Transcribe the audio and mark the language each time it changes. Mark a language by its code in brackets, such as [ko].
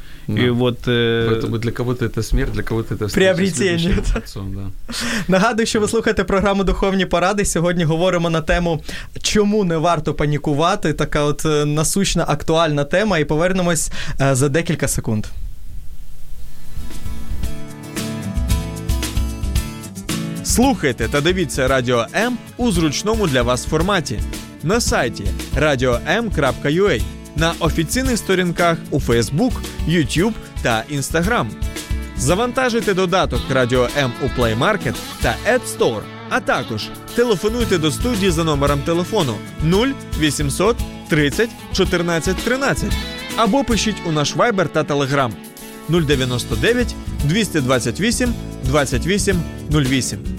[ru] Да. И вот, поэтому для кого-то это смерть, для кого-то это приобретение. Да. [uk] Нагадую, що ви слухаєте програму «Духовні поради». Сьогодні говоримо на тему, чому не варто панікувати. Така от насущна, актуальна тема. І повернемось за декілька секунд. Слухайте та дивіться Радіо М у зручному для вас форматі. На сайті radio-m.ua. На офіційних сторінках у Facebook, YouTube та Instagram. Завантажуйте додаток Радіо М у Play Market та App Store. А також телефонуйте до студії за номером телефону 0800 30 14 13 або пишіть у наш Viber та Telegram 099 228 28 08.